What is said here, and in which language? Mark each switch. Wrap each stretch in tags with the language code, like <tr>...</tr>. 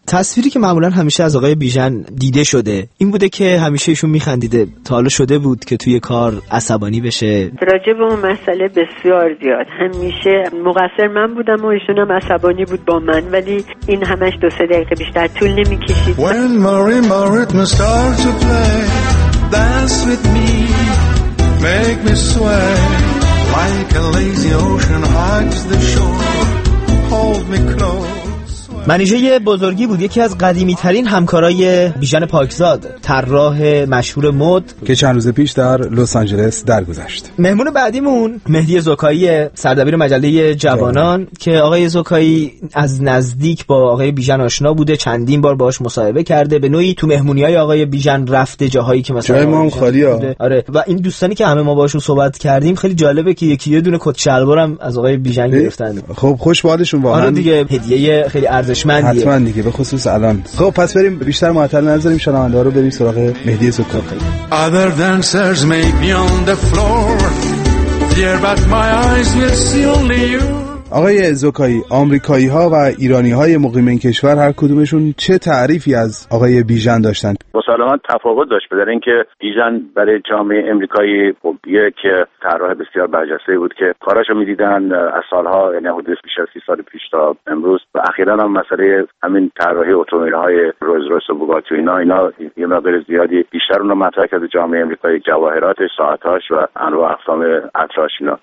<fa>تصویری که معمولا همیشه از آقای بیژن دیده شده این بوده که همیشه ایشون میخندیده. تا حالا شده بود که توی کار عصبانی بشه؟ راجع به اون مسئله بسیار زیاد، همیشه مقصر من بودم و ایشون هم عصبانی بود با من، ولی این همش 2-3 دقیقه بیشتر طول نمیکشید.</fa> <en>When marimba rhythm starts to play, dance with me, make me sway. Like a lazy ocean hugs the shore, hold me close.</en> <fa>منیژه بزرگی بود، یکی از قدیمی ترین همکارای بیژن پاکزاد، طراح مشهور مد که چند روز پیش در لس آنجلس درگذشت. مهمون بعدیمون مهدی زوکایی، سردبیر مجله جوانان ده. که آقای زوکایی از نزدیک با آقای بیژن آشنا بوده، چندین بار باهاش مصاحبه کرده، به نوعی تو مهمونی‌های آقای بیژن رفته، جاهایی که مثلا جای ما هم خالی ها. آره، و این دوستانی که همه ما باهاشون صحبت کردیم، خیلی جالبه که یکی یه دونه کت شلوارم از آقای بیژن گرفتن. خب خوش بالشون واقعا. آره دیگه، هدیه خیلی ارزشمندیه. حتما دیگه، به خصوص الان. خب پس بریم بیشتر معطل نذاریم شنونده‌ها رو، بریم سراغ مهدی زوکایی.</fa> <en>Other dancers may be on the floor dear, but my eyes will see only you.</en> <fa>آقای زوکایی، آمریکایی‌ها و ایرانی‌های مقیم این کشور هر کدومشون چه تعریفی از آقای بیژن داشتن؟ مسلماً تفاوت داشت، بدر اینکه بیژن برای جامعه آمریکایی خوب یه که طراح بسیار برجسته بود که کاراشو می‌دیدن از سال‌ها، یعنی حدود 30 سال پیش تا امروز، و اخیراً هم مسئله همین طراحی اتومبیل‌های رولز‌رویس و بوگاتی و اینا یه مقدار زیادی بیشتر اونو مطرح کرده جامعه آمریکایی، جواهراتش، ساعت‌هاش و انواع اقسام اطلاعش اینا.</fa>